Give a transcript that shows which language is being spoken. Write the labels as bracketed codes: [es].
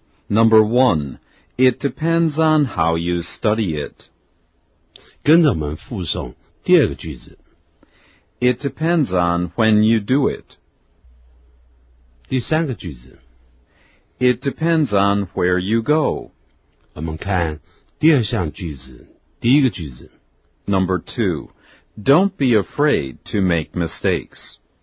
[en] Number one, it depends on how you study it. [zh] 跟着我们附送第二个句子。 [en] It depends on when you do it. [zh] 第三个句子。 [en] It depends on where you go. [zh] 我们看第二项句子，第一个句子。 [en] Number two, don't be afraid to make mistakes.